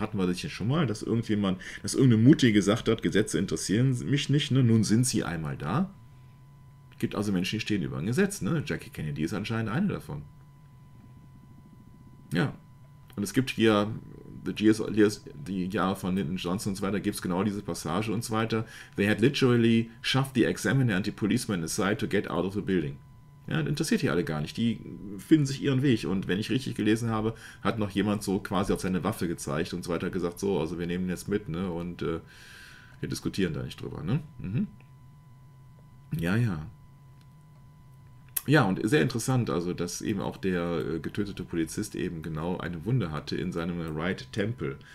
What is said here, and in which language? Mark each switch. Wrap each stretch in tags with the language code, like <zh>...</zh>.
<de>Hatten wir das ja schon mal, dass irgendjemand, dass irgendeine Mutti gesagt hat, Gesetze interessieren mich nicht, ne? Nun sind sie einmal da. Es gibt also Menschen, die stehen über ein Gesetz. Ne? Jackie Kennedy ist anscheinend eine davon. Ja, und es gibt hier die Jahre von Lyndon Johnson und so weiter, gibt es genau diese Passage und so weiter.</de> <en>They had literally shoved the examiner and the policeman aside to get out of the building.</en> <de>Ja, interessiert die alle gar nicht. Die finden sich ihren Weg. Und wenn ich richtig gelesen habe, hat noch jemand so quasi auf seine Waffe gezeigt und so weiter gesagt, so, also wir nehmen jetzt mit, ne, und wir diskutieren da nicht drüber, ne. Ja. Ja, und sehr interessant, also, dass eben auch der getötete Polizist eben genau eine Wunde hatte in seinem</de> <en>Right Temple.</en>